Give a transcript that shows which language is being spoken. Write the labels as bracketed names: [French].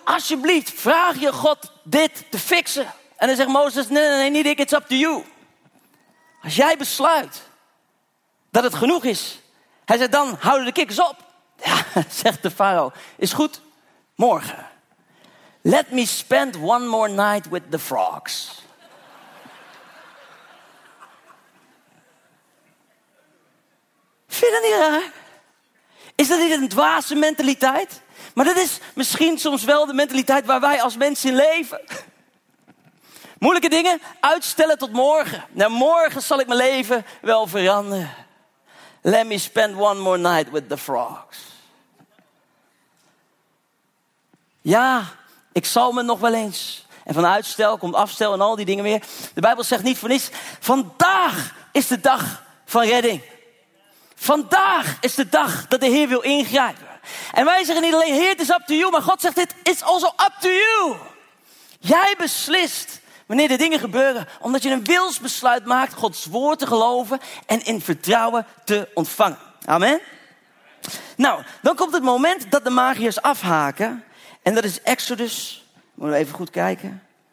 [Dutch] Alsjeblieft, vraag je God dit te fixen. En dan zegt Mozes, nee, niet ik, [English] it's up to you. [Dutch] Als jij besluit dat het genoeg is. Hij zegt, dan houden de kikkers op. Ja, zegt de farao, is goed, morgen. [English] Let me spend one more night with the frogs. [Dutch] Vind je dat niet raar? Is dat niet een dwaze mentaliteit? Maar dat is misschien soms wel de mentaliteit waar wij als mensen in leven. Moeilijke dingen, uitstellen tot morgen. Nou, morgen zal ik mijn leven wel veranderen. [English] Let me spend one more night with the frogs. [Dutch] Ja, ik zal me nog wel eens. En van uitstel komt afstel en al die dingen weer. De Bijbel zegt niet voor niets. Vandaag is de dag van redding. Vandaag is de dag dat de Heer wil ingrijpen. En wij zeggen niet alleen, Heer, [English] it is up to you. [Dutch] Maar God zegt, [English] it is also up to you. [Dutch] Jij beslist wanneer de dingen gebeuren. Omdat je een wilsbesluit maakt Gods woord te geloven en in vertrouwen te ontvangen. Amen. Nou, dan komt het moment dat de magiërs afhaken. En dat is Exodus, moeten we even goed kijken.